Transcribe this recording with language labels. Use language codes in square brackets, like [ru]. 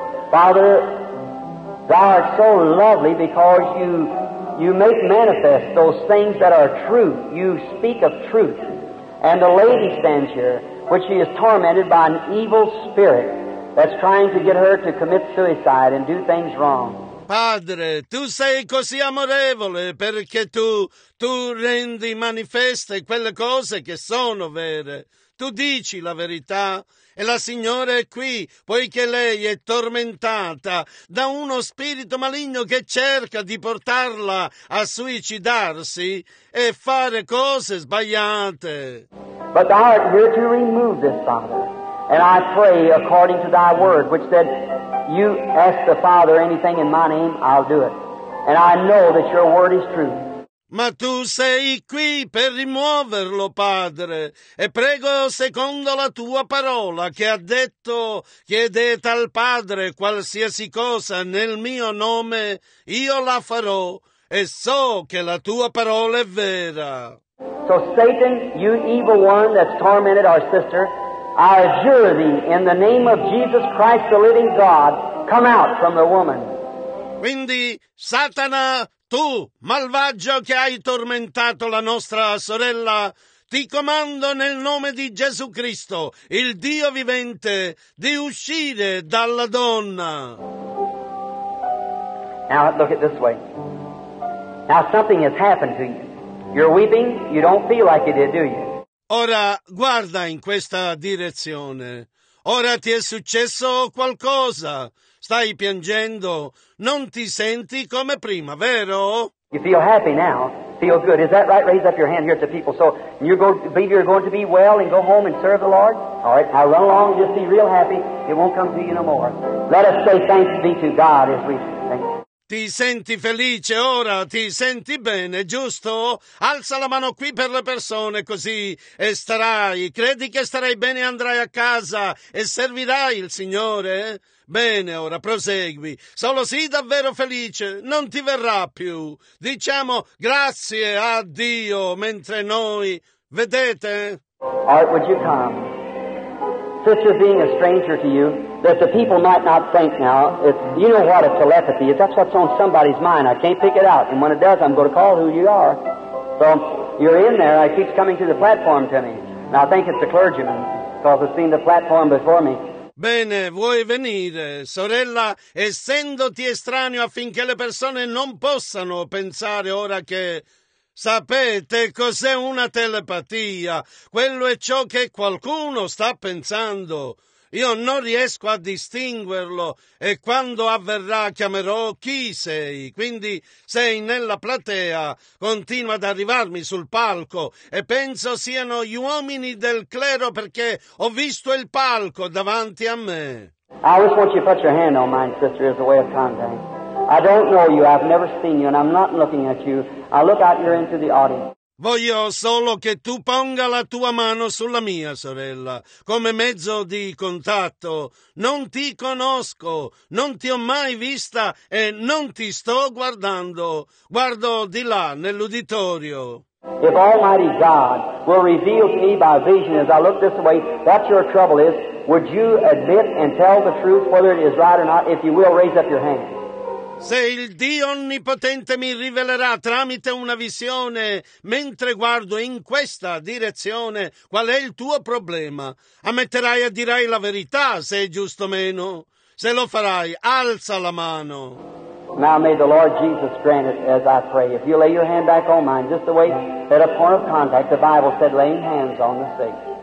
[en] Padre, Thou art so lovely because you make manifest those things that are true. You speak of truth. And the lady stands here, which she is tormented by an evil spirit that's trying to get her to commit suicide and do things wrong. [it] Padre, tu sei così amorevole perché tu rendi manifeste quelle cose che sono vere. Tu dici la verità. E la Signora è qui, poiché lei è tormentata da uno spirito maligno che cerca di portarla a suicidarsi e fare cose sbagliate. [en] But thou art here to remove this, Father. And I pray according to thy word, which said, you ask the Father anything in my name, I'll do it. And I know that your word is true. [it] Ma tu sei qui per rimuoverlo, Padre, e prego secondo la tua parola che ha detto chiedete al Padre qualsiasi cosa nel mio nome, io la farò, e so che la tua parola è vera. [en] So Satan, you evil one that's tormented our sister, I adjure thee in the name of Jesus Christ, the living God, come out from the woman. [it] Quindi, Satana, Tu, malvagio che hai tormentato la nostra sorella, ti comando nel nome di Gesù Cristo, il Dio vivente, di uscire dalla donna. [en] Now look at this way. Now something has happened to you. You're weeping, you don't feel like you did, do you? [it] Ora guarda in questa direzione. Ora ti è successo qualcosa. Stai piangendo, non ti senti come prima, vero? [en] You feel happy now. Feel good. Is that right? Raise up your hand here to people. So you go, believe you're going to be well and go home and serve the Lord? All right. Now run along and just be real happy. It won't come to you no more. Let us say thanks be to God as we thank you. [it] Ti senti felice ora? Ti senti bene, giusto? Alza la mano qui per le persone così e starai. Credi che starai bene e andrai a casa e servirai il Signore? Bene, ora prosegui. Solo sii davvero felice, non ti verrà più. Diciamo grazie a Dio mentre noi, vedete? [en] Art, would you come? Sister, being a stranger to you, that the people might not think now, if, you know what a telepathy is, that's what's on somebody's mind, I can't pick it out, and when it does, I'm going to call who you are. So, you're in there, and it keeps coming to the platform to me, and I think it's the clergyman, because it's seen the platform before me. [it] Bene, vuoi venire, sorella, essendoti estraneo affinché le persone non possano pensare ora che... Sapete cos'è una telepatia? Quello è ciò che qualcuno sta pensando. Io non riesco a distinguerlo e quando avverrà chiamerò chi sei. Quindi sei nella platea, continua ad arrivarmi sul palco e penso siano gli uomini del clero perché ho visto il palco davanti a me. [en] I always want you to put your hand on mine, sister, as a way of contact. I don't know you, I've never seen you, and I'm not looking at you. I look out here into the audience. [it] Voglio solo che tu ponga la tua mano sulla mia, sorella, come mezzo di contatto. Non ti conosco, non ti ho mai vista e non ti sto guardando. Guardo di là, nell'uditorio. [en] If Almighty God will reveal to me by vision as I look this way, what your trouble is, would you admit and tell the truth whether it is right or not? If you will, raise up your hand. [it] Se il Dio Onnipotente mi rivelerà tramite una visione, mentre guardo in questa direzione, qual è il tuo problema? Ammetterai e dirai la verità, se è giusto o meno? Se lo farai, alza la mano. [en] Now may the Lord Jesus grant it as I pray. If you lay your hand back on mine, just the way at a point of contact, the Bible said laying hands on the sick.